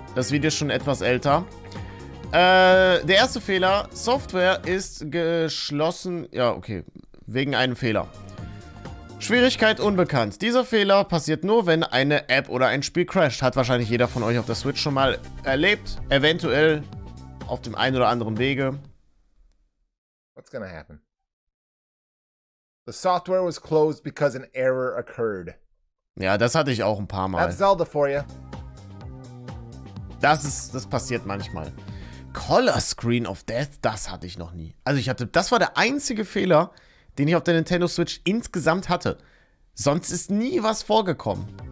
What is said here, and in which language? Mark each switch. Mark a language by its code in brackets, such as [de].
[de] Das Video ist schon etwas älter. Der erste Fehler, Software ist geschlossen, ja okay, wegen einem Fehler. Schwierigkeit unbekannt. Dieser Fehler passiert nur, wenn eine App oder ein Spiel crasht. Hat wahrscheinlich jeder von euch auf der Switch schon mal erlebt, eventuell auf dem einen oder anderen Wege. [en] What's gonna happen? The software was closed because an error occurred. [de] Ja, das hatte ich auch ein paar Mal. [en] That's Zelda for you. [de] Das passiert manchmal. Color Screen of Death, das hatte ich noch nie. Also das war der einzige Fehler, den ich auf der Nintendo Switch insgesamt hatte. Sonst ist nie was vorgekommen.